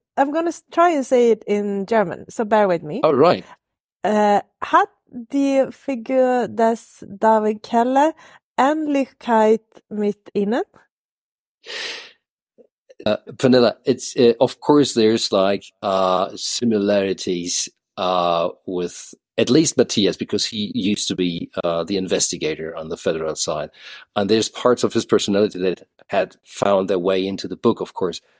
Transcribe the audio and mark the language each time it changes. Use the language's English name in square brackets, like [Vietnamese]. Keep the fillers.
[English] I'm going to try and say it in German, so bear with me. All right. [German] Uh, hat die Figur des David Keller Ähnlichkeit mit Ihnen? [English] Uh, Vanilla, it's of course there's like uh, similarities uh, with at least Matthias because he used to be uh, the investigator on the federal side, and there's parts of his personality that had found their way into the book, of course.